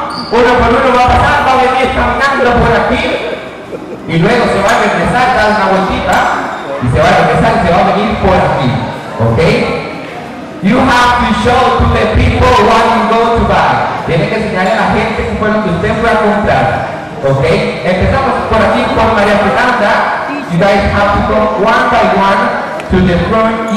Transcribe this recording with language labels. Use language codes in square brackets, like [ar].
[es] pueblo lo va a pasar, va a venir caminando por aquí. Y luego se va a regresar, dar una vueltita. Y se va a regresar y se va a venir por aquí. ¿Ok? [en] You have to show to the people what you're going to buy. [es] Tiene que enseñarle a la gente qué fue lo que usted fue a comprar. ¿Ok? Empezamos por aquí con María Fernanda. [en] You guys have to go one by one to the front.